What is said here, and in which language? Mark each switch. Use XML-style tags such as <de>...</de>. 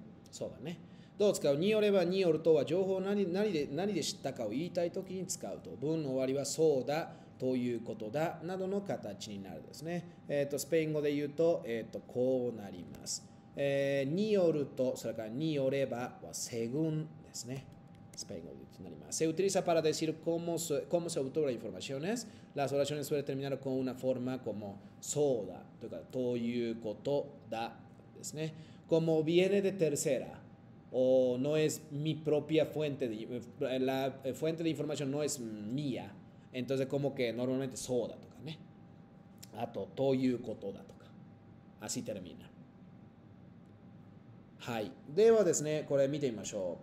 <ja>そうだね。どう使う？によれば、によるとは情報を 何で知ったかを言いたいときに使うと。文の終わりはそうだということだなどの形になるですね。スペイン語で言うと、こうなります。によると、それからによればは、セグンですね。スペイン語で言うとなります。</ja> <es>Se utiliza para decir cómo se obtuvo las informaciones. Las oraciones suelen terminar con una forma como そうだというか、ということだですね。 Como viene de tercera, o no es mi propia fuente, la fuente de información no es mía. Entonces, como que normalmente, そうだとかね。</es> <ja>あと、ということだとか。</ja> <es>Así termina.</es> <ja>はい。ではですね、これ見てみましょう。</ja>